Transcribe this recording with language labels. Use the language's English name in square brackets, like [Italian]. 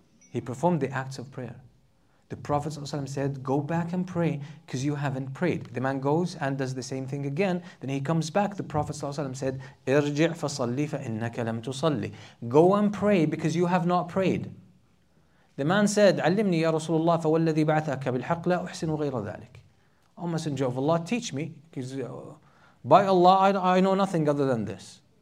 [English] He performed the acts of prayer. The Prophet ﷺ said, go back and pray because you haven't prayed. The man goes and does the same thing again. Then he comes back. The Prophet ﷺ said, [Arabic] irji' fasalli fa'innaka lam tusalli. [English] Go and pray because you have not prayed. The man said, [Arabic] علمني يا رسول الله فوالذي بعثك بالحق لا أحسن غير ذلك. [English] O Messenger of Allah, teach me, because by Allah, I know nothing other than this.